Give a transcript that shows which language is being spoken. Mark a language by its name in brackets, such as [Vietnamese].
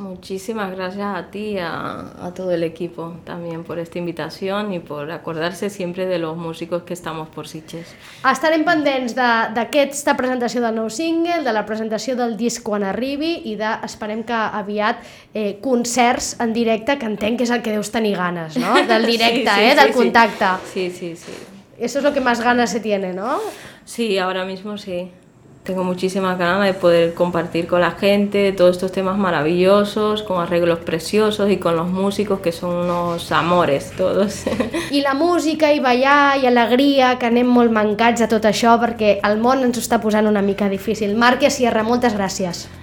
[Catalan] Moltíssimes gràcies a ti i a tot l'equip també per aquesta invitació i per acordar-se sempre de [Spanish] los músicos que estamos por [Catalan] Sitges. Estarem pendents d'aquesta presentació del nou single, de la presentació del disc quan arribi i de, esperem que aviat, concerts en directe, que entenc que és el que deus tenir ganes, no? Del directe, sí, sí, del contacte. Sí, sí, sí. [Spanish] Eso es lo que más ganas se tiene, ¿no? Sí, ahora mismo sí. Tengo muchísimas ganas de poder compartir con la gente todos estos temas maravillosos, con arreglos preciosos y con los músicos, que son unos amores todos. [Catalan] I la música i ballar i alegria, que anem molt mancats a tot això perquè el món ens ho està posant una mica difícil. Márquia Sierra, moltes gràcies.